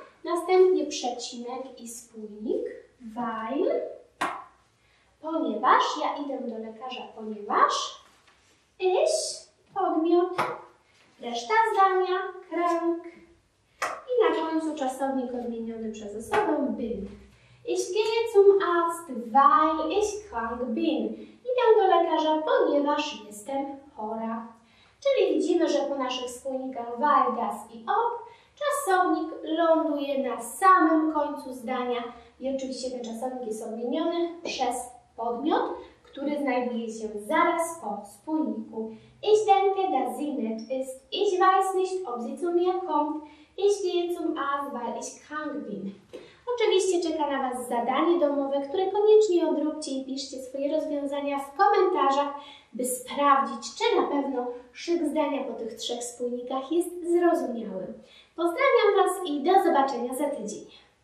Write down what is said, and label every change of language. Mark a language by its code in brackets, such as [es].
[pl] Następnie przecinek i spójnik. Weil, ponieważ, ja idę do lekarza, ponieważ. Ich, podmiot, reszta zdania, krank i na końcu czasownik odmieniony przez osobę, bin. [de] Ich gehe zum Arzt, weil ich krank bin. [pl] Idę do lekarza, ponieważ jestem chora. Czyli widzimy, że po naszych spójnikach weil, das i ob czasownik ląduje na samym końcu zdania i oczywiście ten czasownik jest odmieniony przez podmiot, który znajduje się zaraz po spójniku. [de] Ich denke, dass sie nett ist. Ich weiß nicht, ob sie zu mir kommt. Ich gehe zum Arzt, weil ich krank bin. [pl] Oczywiście czeka na Was zadanie domowe, które koniecznie odróbcie i piszcie swoje rozwiązania w komentarzach, by sprawdzić, czy na pewno szyk zdania po tych trzech spójnikach jest zrozumiały. Pozdrawiam Was i do zobaczenia za tydzień.